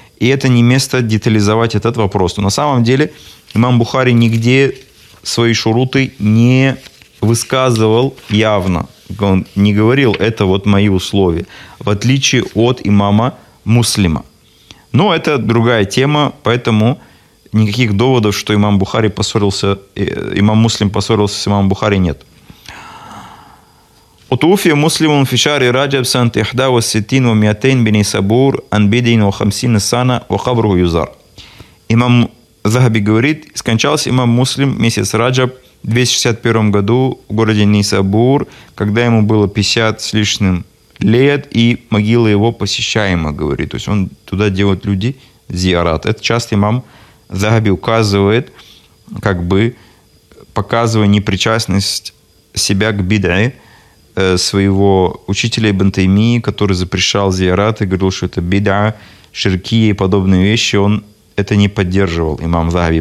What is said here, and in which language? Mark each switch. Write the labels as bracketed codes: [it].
[ru] И это не место детализовать этот вопрос. Но на самом деле имам Бухари нигде свои шуруты не высказывал явно. Он не говорил, это вот мои условия. В отличие от имама Муслима. Но это другая тема. Поэтому никаких доводов, что имам Бухари поссорился, имам Муслим поссорился с имамом Бухари, нет. [ar] وتوفي مسلم في شهر رجب سنة 61 و 200 بني سبور عن بدء 50 سنة وقبره يزار. [ru] Имам Захаби говорит, скончался имам Муслим месяц Раджаб в 261 году в городе Нисабур, когда ему было 50 с лишним лет, и могила его посещаема, говорит. То есть он туда делает люди зиарат. Это часто имам Захаби указывает, как бы показывая непричастность себя к бидре своего учителя Ибн Таймии, который запрещал зиарат и говорил, что это бида, ширки и подобные вещи, он это не поддерживал, имам Захаби.